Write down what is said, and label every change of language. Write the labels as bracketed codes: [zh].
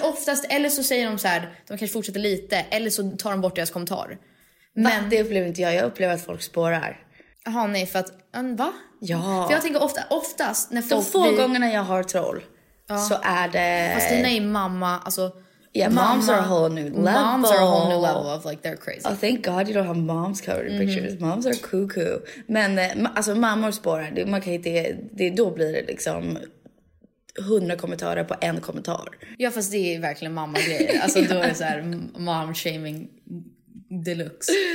[sv] Men oftast, eller så säger de så här, de kanske fortsätter lite, eller så tar de bort deras kommentar. Men det upplever inte jag, upplever att folk spårar. Jaha, nej, för att, va? Ja. För jag tänker oftast när folk... De få blir... gångerna jag har troll, ja, så är det... Fast dina är mamma, alltså... [en] Yeah, moms are a whole new level. Moms are a whole new level of, like, they're crazy. Oh, thank god you don't have moms covered in pictures. Mm. Moms are cuckoo. [sv] Men, alltså, mammor spårar, man kan inte... Då blir det liksom... 100 kommentarer på en kommentar. Ja, fast det är verkligen mamma-grejer. Alltså, då är det så här, mom-shaming... Deluxe.